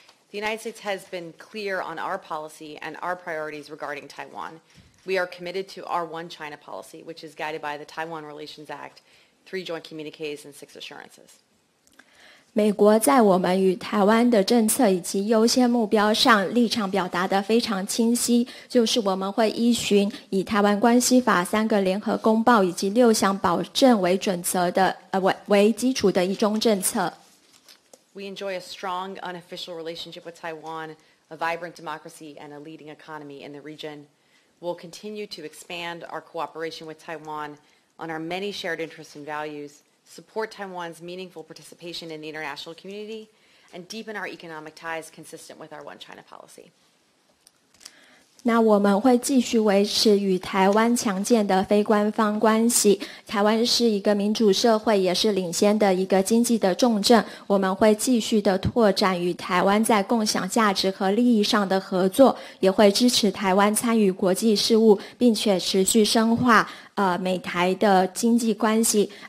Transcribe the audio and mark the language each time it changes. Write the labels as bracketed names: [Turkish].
[English] The United States has been clear on our policy and our priorities regarding Taiwan. We are committed to our One China policy, which is guided by the Taiwan Relations Act, 3 joint communiques, and 6 assurances. [Chinese] 美国在我们与台湾的政策以及优先目标上立场表达得非常清晰，就是我们会依循以台湾关系法三个联合公报以及六项保证为准则的为基础的一中政策。 [English] We enjoy a strong unofficial relationship with Taiwan, a vibrant democracy, and a leading economy in the region. We'll continue to expand our cooperation with Taiwan on our many shared interests and values, support Taiwan's meaningful participation in the international community, and deepen our economic ties consistent with our One China policy. [Chinese] 那我们会继续维持与台湾强健的非官方关系。台湾是一个民主社会，也是领先的一个经济的重镇。我们会继续的拓展与台湾在共享价值和利益上的合作，也会支持台湾参与国际事务，并且持续深化美台的经济关系。